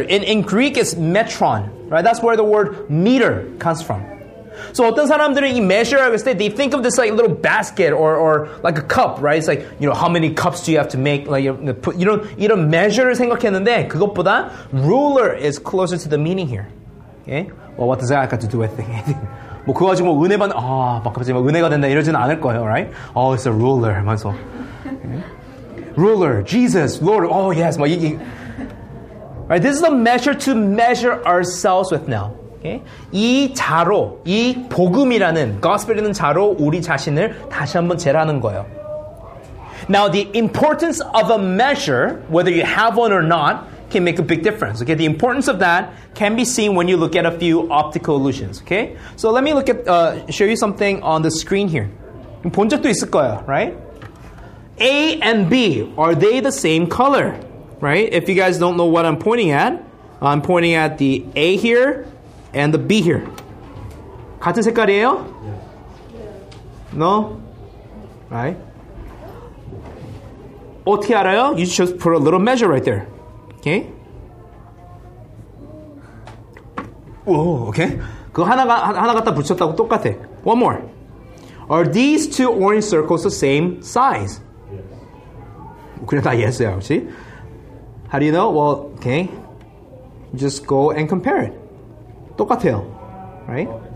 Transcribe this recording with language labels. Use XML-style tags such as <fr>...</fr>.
<en>In Greek, it's metron. Right? That's where the word meter comes from. So</en> <ko>어떤 사람들은 이</ko> <en>measure, I would say, they think of this like a little basket or like a cup, right? It's like, you know, how many cups do you have to make? Like, you don't measure</en> <ko>생각했는데 그것보다</ko> <en>ruler is closer to the meaning here. Okay? Well, what does that have to do with it?</en> <ko>뭐 그거 가지고 뭐 은혜 받는, 아, 막 갑자기 막 은혜가 된다 이러지는 않을 거예요, right?</ko> <en>Oh, it's a ruler,</en> <ko>맞아.</ko> <en>Ruler, Jesus, Lord, oh yes,</en> <ko>뭐 이게.</ko> <en>Right, this is a measure to measure ourselves with now. Okay?</en> <ko>이 자로, 이 복음이라는, gospel이라는 자로 우리 자신을 다시 한번 재라는 거예요.</ko> <en>Now, the importance of a measure, whether you have one or not, can make a big difference. Okay? The importance of that can be seen when you look at a few optical illusions. Okay? So let me look at, show you something on the screen here.</en> <ko>본 적도 있을 거예요, right?</ko> <en>A and B, are they the same color? Right? If you guys don't know what I'm pointing at the A here, and the B here.</en> <ko>같은 색깔이에요?</ko> <en>Yeah. No? Right?</en> <ko>어떻게 알아요?</ko> <en>You just put a little measure right there. Okay? Whoa, okay?</en> <ko>그거 하나 갖다 붙였다고 똑같아.</ko> <en>One more. Are these two orange circles the same size? Yes.</en> <ko>그냥 다 yes야, 그렇지?</ko> <en>How do you know? Well, okay. Just go and compare it.</en> <ko>똑같아요.</ko> <en>Right?</en>